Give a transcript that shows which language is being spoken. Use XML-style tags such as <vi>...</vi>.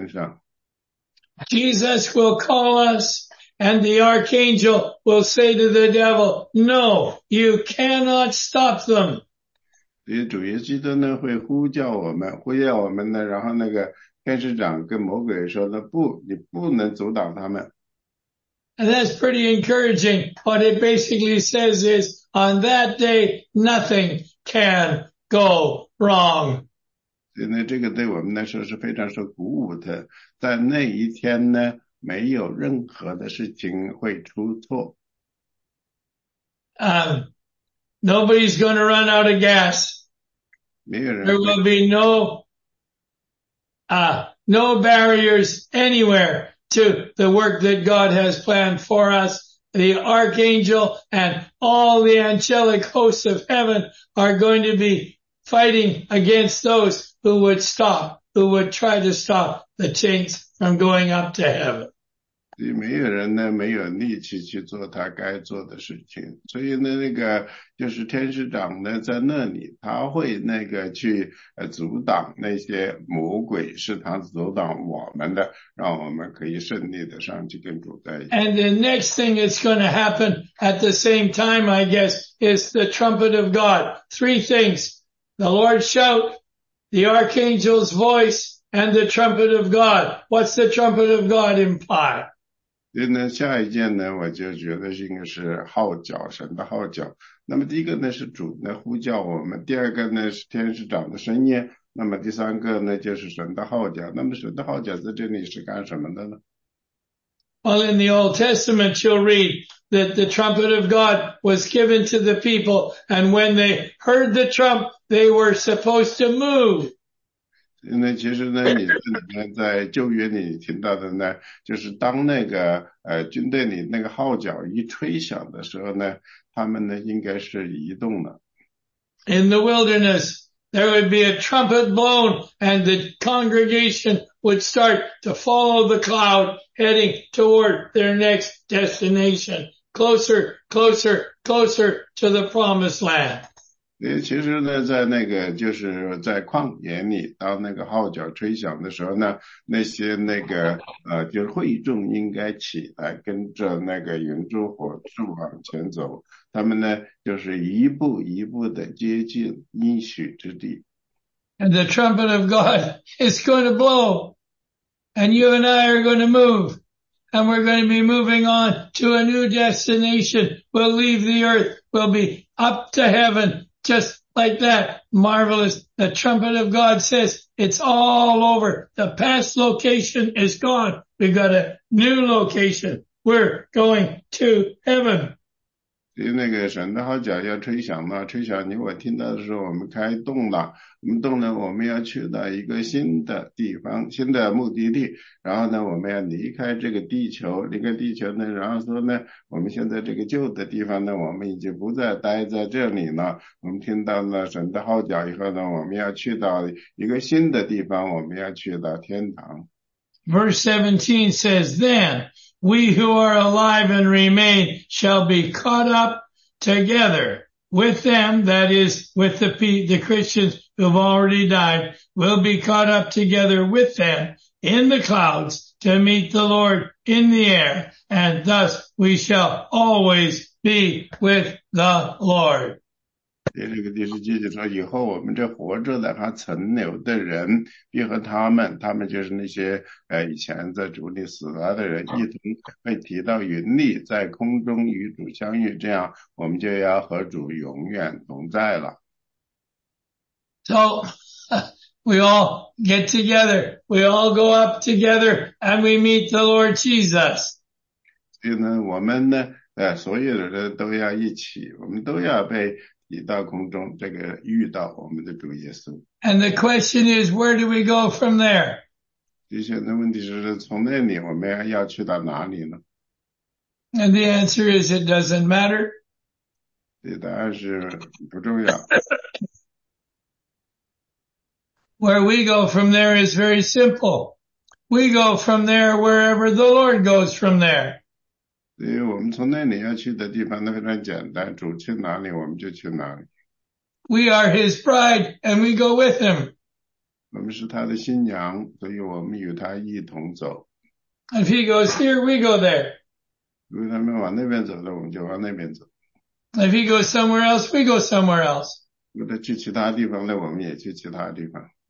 <zh>所以那个就是那个天使长的声音在那里呢，是为了保护我们，让那个魔鬼在那个荣耀的日子里不能阻挡我们去到天上。Jesus</zh> <en>will call us, and the archangel will say to the devil, "No, you cannot stop them."</en> <zh>所以主耶稣呢会呼叫我们，呼叫我们呢，然后那个天使长跟魔鬼说的不，你不能阻挡他们。</zh> <en>And that's pretty encouraging. What it basically says is, on that day, nothing can go wrong.</en> <zh>那这个对我们来说是非常受鼓舞的。在那一天呢，没有任何的事情会出错。</zh> <en>Nobody's going to run out of gas.</en> <zh>没有人。</zh> <en>There will be no barriers anywhere to the work that God has planned for us. The archangel and all the angelic hosts of heaven are going to be fighting against those who would stop, who would try to stop the chains from going up to heaven.</en> <zh>所以没有人呢，没有力气去做他该做的事情。所以呢，那个就是天使长呢，在那里，他会那个去阻挡那些魔鬼，是他阻挡我们的，让我们可以顺利的上去跟主在一起。</zh> <en>And the next thing that's going to happen at the same time, I guess, is the trumpet of God. Three things. The Lord's shout, the archangel's voice, and the trumpet of God. What's the trumpet of God imply?</en> <zh>那下一件呢，我就觉得应该是号角，神的号角。那么第一个呢是主呢呼叫我们，第二个呢是天使长的声音，那么第三个呢就是神的号角。那么神的号角在这里是干什么的呢？</zh> <en>Well, in the Old Testament, you'll read. That the trumpet of God was given to the people, and when they heard the trump, they were supposed to move.</en> <zh>那其实呢，你在旧约里听到的呢，就是当那个军队里那个号角一吹响的时候呢，他们呢应该是移动了。</zh> <en>In the wilderness, there would be a trumpet blown, and the congregation would start to follow the cloud. Heading toward their next destination, closer, closer, closer to the promised land.</en> <zh>其实呢，在那个就是在旷野里，当那个号角吹响的时候呢，那些那个就是会众应该起来跟着那个云柱火柱往前走，他们呢就是一步一步的接近应许之地。</zh> <en>And the trumpet of God is going to blow. And you and I are going to move, and we're going to be moving on to a new destination. We'll leave the earth, we'll be up to heaven, just like that. Marvelous. The trumpet of God says it's all over. The past location is gone. We've got a new location. We're going to heaven.</en> <zh>那个神的号角要吹响了，吹响你我听到的时候，我们开动了，我们动了，我们要去到一个新的地方，新的目的地，然后呢我们要离开这个地球，离开地球呢，然后说呢我们现在这个旧的地方呢，我们已经不再待在这里了，我们听到了神的号角以后呢，我们要去到一个新的地方，我们要去到天堂。</zh> <en>Verse 17 says thenWe who are alive and remain shall be caught up together with them, that is, with the Christians who have already died, will be caught up together with them in the clouds to meet the Lord in the air, and thus we shall always be with the Lord.</en> <zh>第十七节说，以后我们这活着的和存留的人，必和他们就是那些以前在主里死了的人，一同被提到云里，在空中与主相遇，这样我们就要和主永远同在了。</zh> <en>So we all get together, we all go up together, and we meet the Lord Jesus.</en> <zh>所以呢，我们呢所有的人都要一起，我们都要被一到空中，这个遇到我们的主耶稣。</zh> <en>And the question is, where do we go from there?</en> <zh>接下来的问题是，从那里我们要去到哪里呢？</zh> <en>And the answer is, it doesn't matter.</en> <zh>这答案是不重要。</zh> <en>Where we go from there is very simple. We go from there wherever the Lord goes from there.</en> <zh>所以我们从那里要去的地方都非常简单，主去哪里我们就去哪里。</zh> <en>We are his bride and we go with him.</en> <zh>我们是他的新娘，所以我们与他一同走。</zh> <en>If he goes here, we go there.</en> <zh>如果他们往那边走了，我们就往那边走。</zh> <en>If he goes somewhere else, we go somewhere else.</en> <zh>如果他去其他地方了，我们也去其他地方。</zh>